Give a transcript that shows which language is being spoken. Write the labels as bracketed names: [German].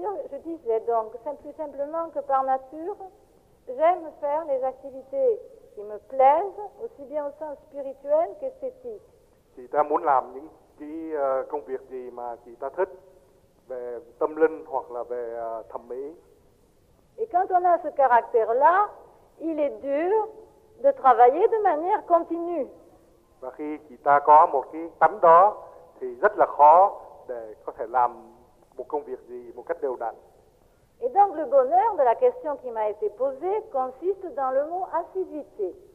[French] Je disais donc, plus simplement que par nature, j'aime faire les activités qui me plaisent, aussi bien au sens spirituel qu'esthétique. [Vietnamese] Chị ta muốn làm những cái công việc gì mà chị ta thích, về tâm linh hoặc là về thẩm mỹ. [French] Et quand on a ce caractère-là, il est dur de travailler de manière continue. [Vietnamese] Và khi chị ta có một cái tánh đó, thì rất là khó để có thể làm một công việc gì một cách đều đặn. [French] Et donc le bonheur de la question qui m'a été posée consiste dans le mot assiduité.